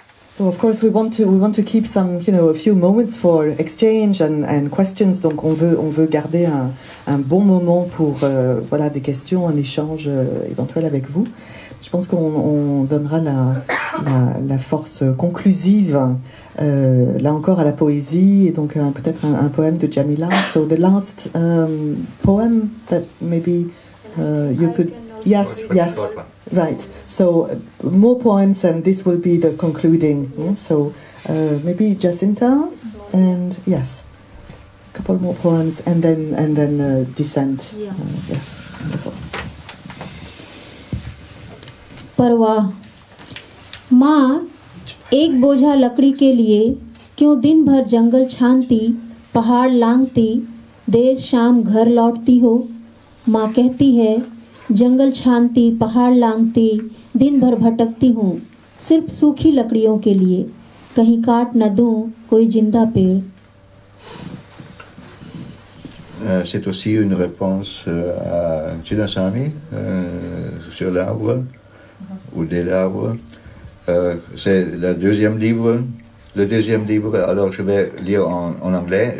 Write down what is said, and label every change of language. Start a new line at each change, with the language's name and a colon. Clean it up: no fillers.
English: So of course we want to keep some, you know, a few moments for exchange and questions.
French: Donc on veut garder un bon moment pour voilà des questions, un échange éventuel avec vous. Je pense qu'on donnera la force conclusive là encore à la poésie et donc peut-être un poème de Jameela.
English: So the last poem that maybe you could... Yes, yes, right. So more poems and this will be the concluding. So maybe Jacinta and yes, a couple more poems and then Descent. Yes, wonderful.
Hindi: परवाह। माँ एक बोझा लकड़ी के लिए क्यों दिन भर जंगल छानती, पहाड़ लांघती, देर शाम घर लौटती हो? माँ कहती है, जंगल छानती, पहाड़ लांघती, दिन भर भटकती हूँ सिर्फ सूखी लकड़ियों के लिए, कहीं काट न दूं कोई जिंदा पेड़।
French: C'est aussi une réponse à Chinnaswamy sur l'arbre ou de l'arbre. C'est le deuxième livre. Le deuxième livre, alors je vais lire en anglais.